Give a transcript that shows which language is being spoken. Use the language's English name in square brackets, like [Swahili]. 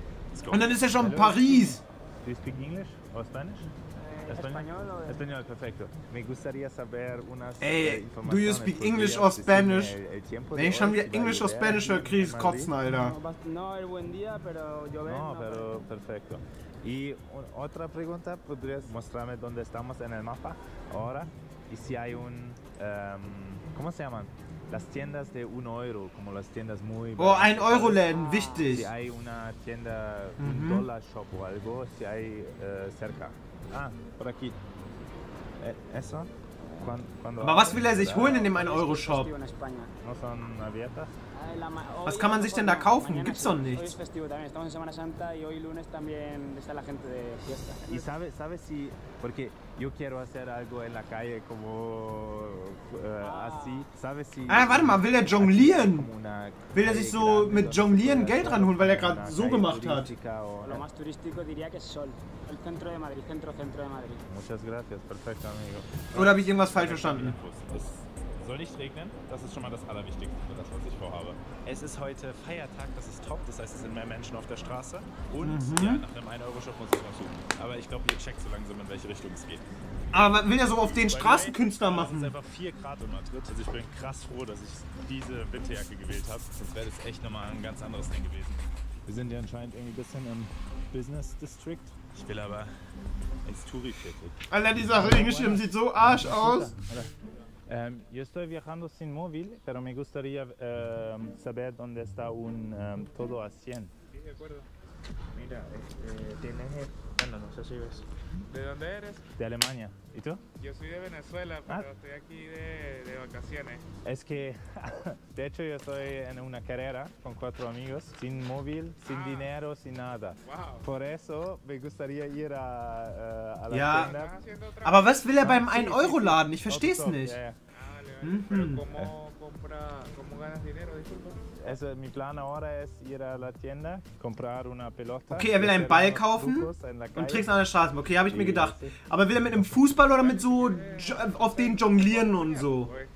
[English] Let's go. [German] Und dann ist er schon in Paris! [English] Do you speak English or Spanish? [Spanish] Español. Español, perfecto. Me gustaría saber unas [English] informaciones. Do you speak English or Spanish? [German] Wenn ich schon wieder [English] English or Spanish [German] höre, kriege ich Kotzen, Alter. [Spanish] No, el buen día, pero yo vengo. No, pero perfecto. Y otra pregunta, ¿podrías mostrarme dónde estamos en el mapa ahora? Y si hay un... ¿cómo se llaman? Las tiendas de 1 euro, como las tiendas muy... [German] Oh, 1 euro Läden, wichtig. [Spanish] Si hay una tienda, un dollar shop o algo, si hay cerca. Ah, por aquí. ¿Eso? [German] Aber was will er sich holen in dem 1 euro shop? [Spanish] No son abiertas. [German] Was kann man sich denn da kaufen? Gibt's doch nichts. [Spanish] Hoy es festivo también, estamos en Semana Santa y hoy lunes también está la gente de fiesta. Y sabe si... Porque yo quiero hacer algo en la calle como así, ¿sabes? Si [German] warte mal, will er jonglieren? Will er sich so mit jonglieren Geld ranholen, weil er gerade so gemacht hat? [Spanish] Lo más turístico diría que es Sol, el centro de Madrid, centro de Madrid. Muchas gracias, perfecto amigo. [German] Oder habe ich irgendwas falsch verstanden? Soll nicht regnen, das ist schon mal das Allerwichtigste für das, was ich vorhabe. Es ist heute Feiertag, das ist top, das heißt, es sind mehr Menschen auf der Straße. Und ja, nach einem 1-Euro-Shop muss ich was suchen. Aber ich glaube, ihr checkt so langsam, in welche Richtung es geht. Aber man will ja so auf den Straßenkünstler machen. Es ist einfach 4 Grad in Madrid. Also ich bin krass froh, dass ich diese Winterjacke gewählt habe. Sonst wäre das echt nochmal ein ganz anderes Ding gewesen. Wir sind ja anscheinend irgendwie ein bisschen im Business District. Ich will aber ins Touri-Viertel. Alter, die Sache hingeschrieben sieht so arsch aus. [Spanish] Yo estoy viajando sin móvil, pero me gustaría saber dónde está un todo a 100. Sí, de acuerdo. Mira, tienes. Bueno, no sé si ves. ¿De dónde eres? De Alemania. ¿Y tú? Yo soy de Venezuela, pero estoy aquí de vacaciones. Es que, de hecho, yo estoy en una carrera con 4 amigos, sin móvil, sin dinero, sin nada. [English] Wow. [Spanish] Por eso me gustaría ir a la [German] tienda. Aber was will er beim 1-Euro-Laden? Ich verstehe es nicht. [Spanish] ¿Cómo ganas dinero? Also, mi plan ahora es ir a la tienda, comprar una pelota. [German] Okay, er will einen Ball kaufen und trinkt an der Straße. Okay, habe ich mir gedacht. Aber will er mit einem Fußball oder mit so auf den jonglieren und so?